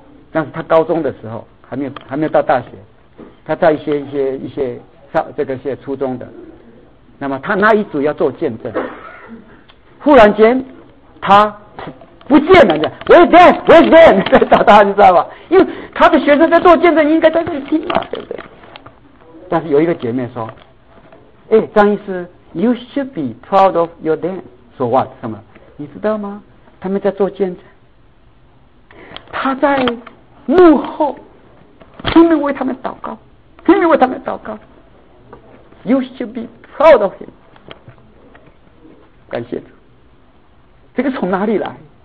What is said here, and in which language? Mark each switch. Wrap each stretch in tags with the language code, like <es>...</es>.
<zh>但是他高中的时候还没有到大学，他在一些上这个些初中的，那么他那一组要做见证，忽然间他不见了，讲 Where is Dan? Where is Dan? 在找他，你知道吧？因为他的学生在做见证，应该在这里听嘛，对不对？</zh> <en>但是有一个姐妹说：“哎，张医师，You should be proud of your Dan.</en> <zh>So what? 什么？你知道吗？他们在做见证。” 他在幕后拼命为他们祷告，拼命为他们祷告。</zh> <en>You should be proud of him。</en> <zh>感谢主，这个从哪里来？</zh>